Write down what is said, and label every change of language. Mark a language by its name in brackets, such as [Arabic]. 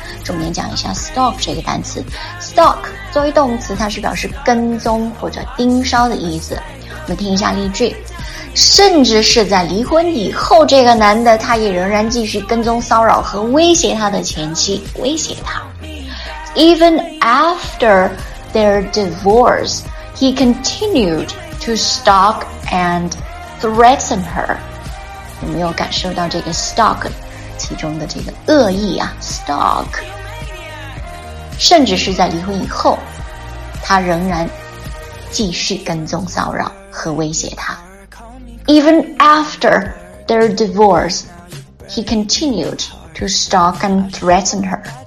[Chinese] 重点讲一下 stalk 这个单词。stalk 作为动词，它是表示跟踪或者盯梢的意思。我们听一下例句。甚至是在离婚以后，这个男的他也仍然继续跟踪骚扰和威胁他的前妻，威胁他。 [English] Even after their divorce, he continued to stalk and threaten her。 [Chinese] 有没有感受到这个 stalk 其中的这个恶意啊？ stalk 甚至是在离婚以后，他仍然继续跟踪骚扰和威胁他。 [English] Even after their divorce, he continued to stalk and threaten her。